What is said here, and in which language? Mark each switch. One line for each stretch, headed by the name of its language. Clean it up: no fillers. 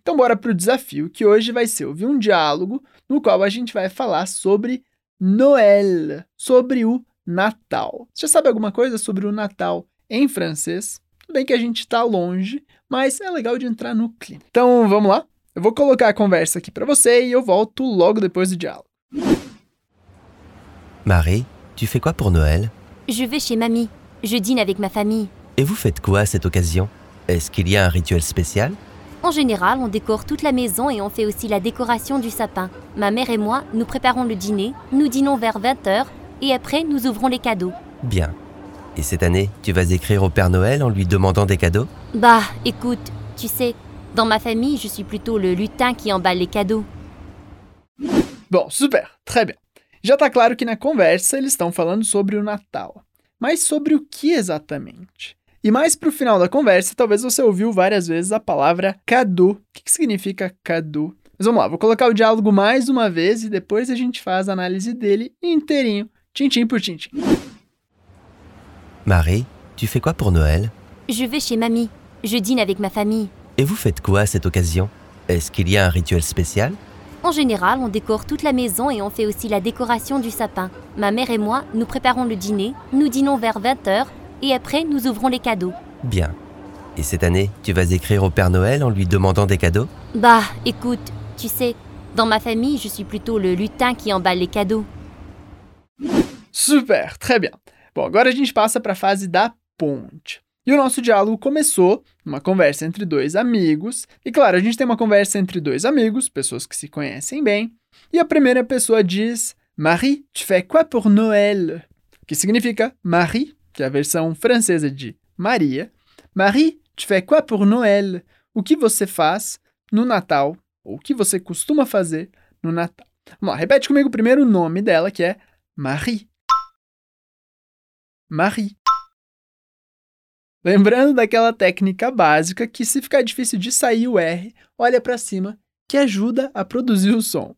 Portuguese: Então bora pro desafio, que hoje vai ser ouvir um diálogo no qual a gente vai falar sobre Noël, sobre o Natal. Você já sabe alguma coisa sobre o Natal em francês? Tudo bem que a gente está longe, mas é legal de entrar no clima. Então, vamos lá? Eu vou colocar a conversa aqui para você e eu volto logo depois do diálogo.
French: Marie, tu fais quoi pour Noël? Je vais chez mamie. Je dîne avec ma famille. Et vous faites quoi à cette occasion? Est-ce qu'il y a un rituel spécial? En général, on décore toute la maison et on fait aussi la décoration du sapin. Ma mère et moi, nous préparons le dîner, nous dînons vers 20h et après, nous ouvrons les cadeaux. Bien. Et cette année, tu vas écrire au Père Noël en lui demandant des cadeaux? Bah, écoute, tu sais, dans ma famille, je suis plutôt le lutin qui emballe les cadeaux. Bon, super, très bien.
Portuguese: Já tá claro que na conversa, eles estão falando sobre o Natal. Mas sobre o que exatamente? E mais pro final da conversa, talvez você ouviu várias vezes a palavra cadeau. O que significa cadeau? Mas vamos lá, vou colocar o diálogo mais uma vez e depois a gente faz a análise dele inteirinho, tintim por tintim.
French: Marie, tu fais quoi pour Noël? Je vais chez mamie. Je dîne avec ma famille. Et vous faites quoi à cette occasion? Est-ce qu'il y a un rituel spécial? En général, on décore toute la maison et on fait aussi la décoration du sapin. Ma mère et moi, nous préparons le dîner, nous dînons vers 20h et après, nous ouvrons les cadeaux. Bien. Et cette année, tu vas écrire au Père Noël en lui demandant des cadeaux? Bah, écoute, tu sais, dans ma famille, je suis plutôt le lutin qui emballe les cadeaux. Super, très bien.
Portuguese: Bon, agora a gente passa para a fase da ponte. E o nosso diálogo começou numa conversa entre dois amigos. E claro, a gente tem uma conversa entre dois amigos, pessoas que se conhecem bem. E a primeira pessoa diz,
French: Marie, tu fais quoi pour Noël?
Portuguese: Que significa Marie, que é a versão francesa de Maria.
French: Marie, tu fais quoi pour Noël?
Portuguese: O que você faz no Natal? Ou o que você costuma fazer no Natal? Vamos lá, repete comigo primeiro o nome dela, que é Marie. Marie. Lembrando daquela técnica básica que se ficar difícil de sair o R, olha para cima, que ajuda a produzir o som.